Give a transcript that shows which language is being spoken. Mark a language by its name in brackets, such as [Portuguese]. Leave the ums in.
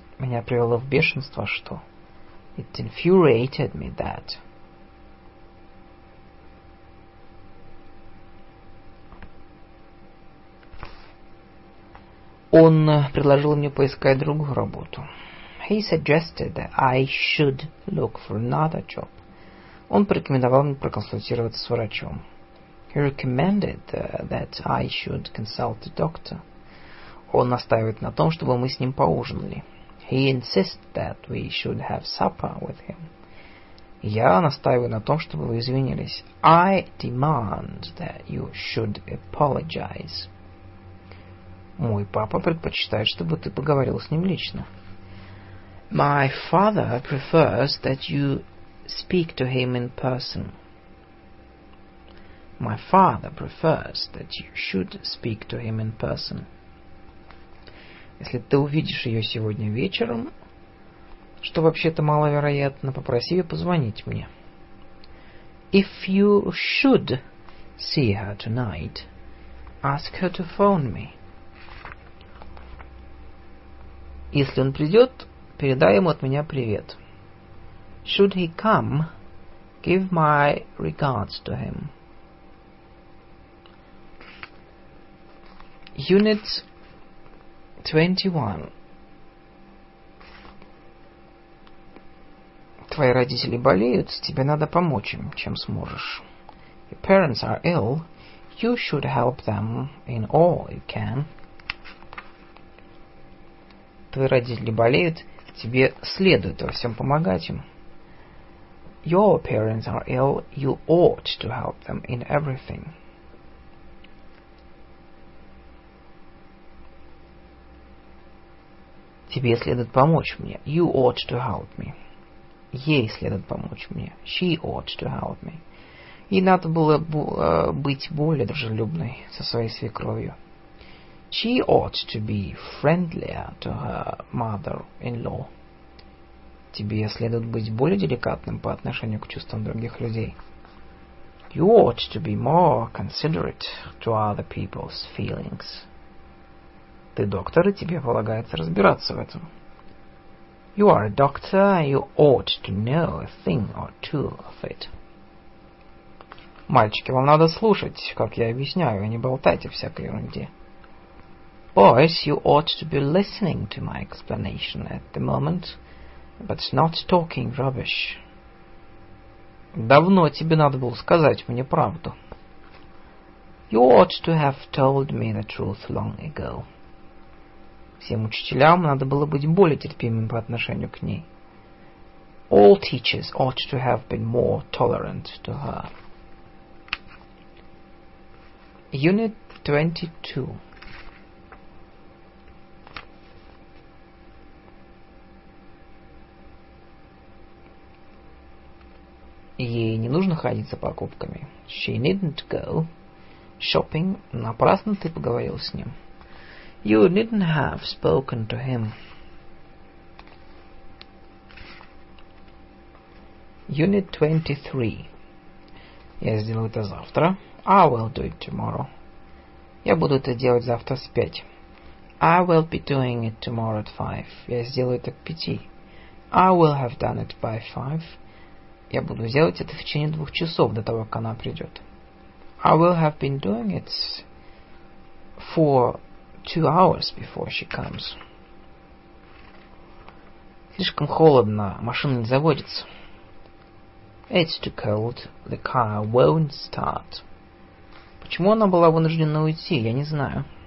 [Russian] Меня привело в бешенство, что... [English] It infuriated me that... [Russian] Он предложил мне поискать другую работу. [English] He suggested that I should look for another job. [Russian] Он порекомендовал мне проконсультироваться с врачом. [English] He recommended uh, that I should consult the doctor. [Russian] Он настаивает на том, чтобы мы с ним поужинали. [English] He insists that we should have supper with him. [Russian] Я настаиваю на том, чтобы вы извинились. [English] I demand that you should apologize. [Russian] Мой папа предпочитает, чтобы ты поговорил с ним лично. [English] My father prefers that you speak to him in person. My father prefers that you should speak to him in person. [Russian] Если ты увидишь ее сегодня вечером, что вообще-то маловероятно, попроси ее позвонить мне. [English] If you should see her tonight, ask her to phone me. [Russian] Если он придет, передай ему от меня привет. [English] Should he come, give my regards to him. Unit 21. [Russian] Твои родители болеют, тебе надо помочь им, чем сможешь. [English] Your parents are ill. You should help them in all you can. [Russian] твои родители болеют, тебе следует во всем помогать им. [English] Your parents are ill, you ought to help them in everything. [Russian] Тебе следует помочь мне. [English] You ought to help me. [Russian] Ей следует помочь мне. [English] She ought to help me. [Russian] Ей надо было быть более дружелюбной со своей свекровью. [English] She ought to be friendlier to her mother-in-law. [Russian] Тебе следует быть более деликатным по отношению к чувствам других людей. [English] You ought to be more considerate to other people's feelings. [Russian] Ты доктор, и тебе полагается разбираться в этом. [English] You are a doctor, and you ought to know a thing or two of it. [Russian] Мальчики, вам надо слушать, как я объясняю, а не болтайте всякой ерунде. [English] Boys, you ought to be listening to my explanation at the moment, but not talking rubbish. [Russian] Давно тебе надо было сказать мне правду. [English] You ought to have told me the truth long ago. [Russian] Всем учителям надо было быть более терпимым по отношению к ней. [English] All teachers ought to have been more tolerant to her. Unit 22 [Russian] Ей не нужно ходить за покупками. [English] She needn't go shopping. [Russian] Напрасно ты поговорил с ним. [English] You needn't have spoken to him. Unit 23. [Russian] Я сделаю это завтра. [English] I will do it tomorrow. [Russian] Я буду это делать завтра с пять. [English] I will be doing it tomorrow at five. [Russian] Я сделаю это к пяти. [English] I will have done it by five. [Russian] Я буду делать это в течение двух часов до того, как она придет. [English] I will have been doing it for two hours before she comes. [Russian] Слишком холодно, машина не заводится. [English] It's too cold, the car won't start. [Russian] Почему она была вынуждена уйти, я не знаю.